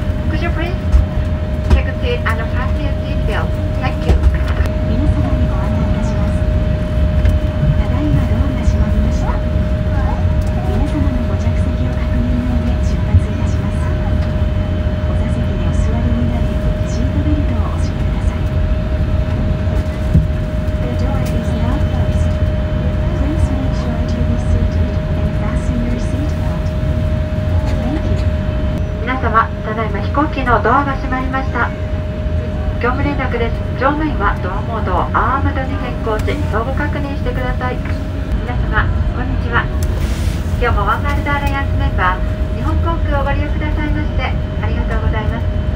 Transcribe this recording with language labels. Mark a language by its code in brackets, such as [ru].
[en] Could you please take a seat and fasten your seat belt? Thank you. [ja] 皆様にご案内いたします。ただいまドアが閉まりました。皆様のご着席を確認の上出発いたします。お座席にお座りになり、シートベルトをお締めください。 [en] The door is now closed. Please make sure to be seated and fasten your seat belt. Thank you. [ja] 皆様、ただいま飛行機のドアが閉まりました。業務連絡です。乗務員はドアモードをアームドに変更し、相互確認してください。皆様こんにちは。今日もワンワールドアライアンスメンバー、日本航空をご利用くださいましてありがとうございます。